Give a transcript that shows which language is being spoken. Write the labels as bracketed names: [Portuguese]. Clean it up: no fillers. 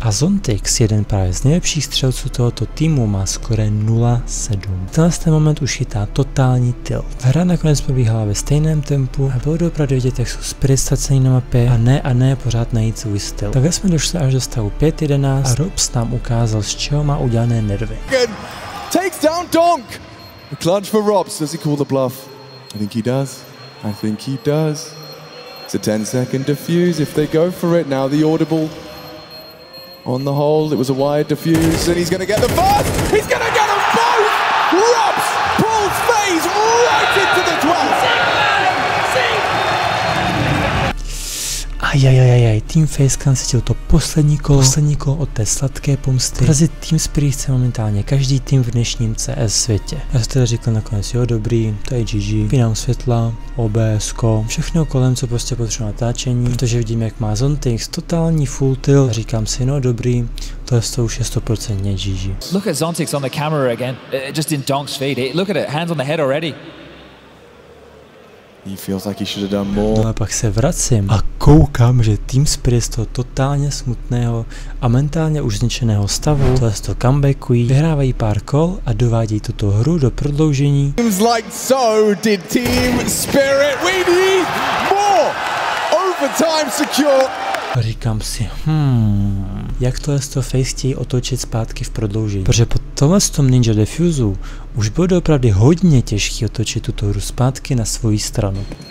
[Czech] A Zontix, jeden právě z nejlepších střelců tohoto týmu, má skore 0-7. Tenhle ten moment už chytá totální tilt. Hra nakonec probíhala ve stejném tempu a bylo opravdu vidět, jak jsou Spirit ztracený na mapě a ne pořád najít svůj styl. Takhle jsme došli až do stavu 5-11 a Robs nám ukázal, z čeho má udělané nervy. [English] Takes down Donk! A clutch for Robs, does he call the bluff? I think he does. I think he does. It's a 10-second defuse. If they go for it now, the audible on the hold. It was a wide defuse, and he's going to get the first. He's going to get them both. Robs pulls FaZe right into the 12th. [Czech] Ajajajajaj, tým Face Clan cítil to poslední kolo od té sladké pomsty. Prazit tým Spirit chce momentálně každý tým v dnešním CS světě. Já jsem teda říkal nakonec, jo dobrý, to je GG, vynám světla, OBSko, všechno kolem, co prostě potřebuje natáčení, protože vidím, jak má Zontix totální full tilt, a říkám si, no dobrý, to je 100% GG. [English] Look at Zontix on the camera again, just in Donk's feet, look at it, hands on the head already. He feels like he should have done more. [Czech] No ale pak se vracím a koukám, že Team Spirit z toho totálně smutného a mentálně už zničeného stavu tohle z toho comebackují, vyhrávají pár kol a dovádějí tuto hru do prodloužení. [English] Seems like so did Team Spirit. We need more overtime secure. [Czech] A říkám si, jak tohle z toho Face chtějí otočit zpátky v prodloužení. Protože po tomhle z tom Ninja Defuse už bylo opravdu hodně těžké otočit tuto hru zpátky na svoji stranu.